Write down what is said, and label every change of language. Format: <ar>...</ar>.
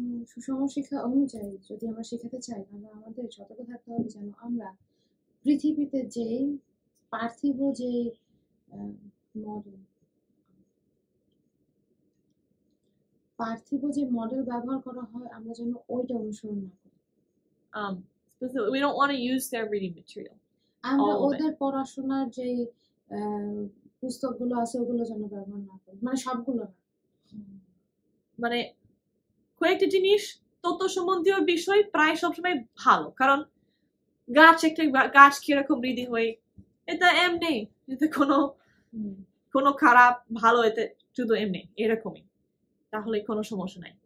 <bn>সুষম শিক্ষা অনুযায়ী যদি আমরা শিখাতে চাই, তাহলে আমাদের সতর্ক থাকতে হবে যেন আমরা পৃথিবীতে যে পার্থিব যে মডেল, পার্থিব যে মডেল ব্যবহার করা হয়, আমরা যেন ওইটা অনুসরণ না করি।</bn> <en>We don't want to use their reading material.</en> <bn>আমরা ওদের পড়াশোনার যে পুস্তকগুলো আছে ওগুলো যেন ব্যবহার না করি, মানে সবগুলো না, মানে কয়েকটা জিনিস তত সম্বন্ধীয় বিষয় প্রায় সবসময় ভালো, কারণ গাছ একটা গাছ কিরকম বৃদ্ধি হয়, এটা এমনি, এটা কোনো কোনো খারাপ ভালো, এতে শুধু এমনি এরকমই, তাহলে কোনো সমস্যা নাই।</bn>